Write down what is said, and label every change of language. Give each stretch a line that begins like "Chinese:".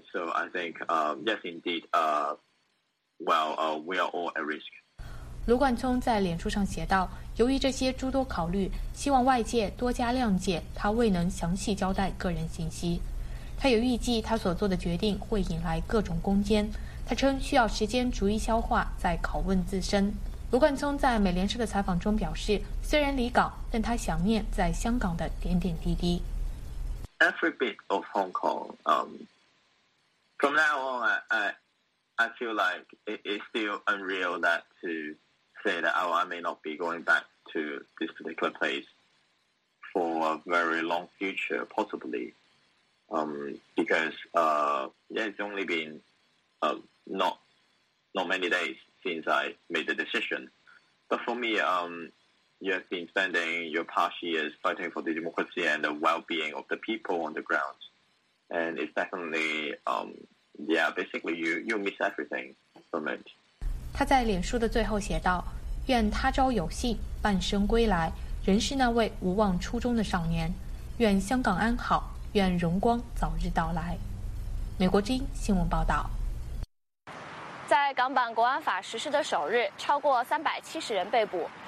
English: So I think, yes, indeed, we are all at risk.
Chinese: 罗冠聪在脸书上写道，由于这些诸多考虑，希望外界多加谅解，他未能详细交代个人信息。他也预计他所做的决定会引来各种攻坚，他称需要时间逐一消化再拷问自身。罗冠聪在美联社的采访中表示，虽然离港，但他想念在香港的点点滴滴。
English: Every bit of Hong Kong from now on I feel like it's still unreal that to say that I may not be going back to this particular place for a very long future possiblyBecause it's only been not many days since I made the decision. But for me, you have been spending your past years fighting for the democracy and the well-being of the people on the ground. And it's definitely, basically you miss everything from it.
Chinese: 他在脸书的最后写道，愿他朝有幸，半生归来，仍是那位无忘初衷的少年，愿香港安好。愿荣光早日到来。美国之音新闻报道。在港版国安法实施的首日，超过370人被捕。